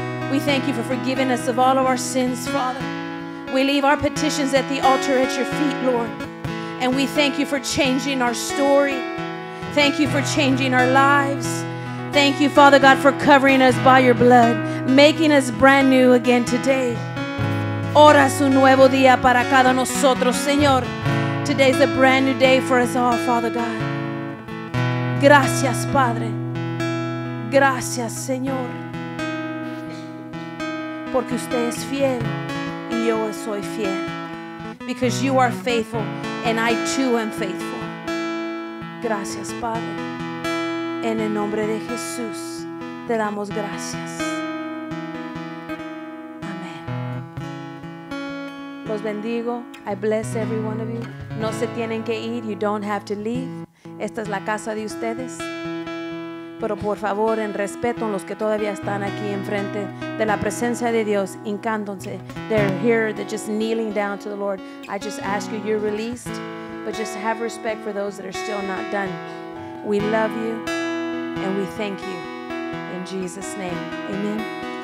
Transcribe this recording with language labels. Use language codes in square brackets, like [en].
[en] We thank you for forgiving us of all of our sins, Father. We leave our petitions at the altar at your feet, Lord. And we thank you for changing our story. Thank you for changing our lives. Thank you, Father God, for covering us by your blood, making us brand new again today. [es] Ora es un nuevo día para cada nosotros, Señor. [en] Today's a brand new day for us all, Father God. [es] Gracias, Padre. Gracias, Señor. Porque usted es fiel y yo soy fiel. [en] Because you are faithful and I too am faithful. [es] Gracias, Padre. En el nombre de Jesús te damos gracias. Amén. Los bendigo. [en] I bless every one of you. [es] No se tienen que ir. [en] You don't have to leave. [es] Esta es la casa de ustedes. Pero por favor, en respeto a los que todavía están aquí enfrente de la presencia de Dios, hincándose. [en] They're here, they're just kneeling down to the Lord. I just ask you, you're released, but just have respect for those that are still not done. We love you and we thank you. In Jesus' name, amen.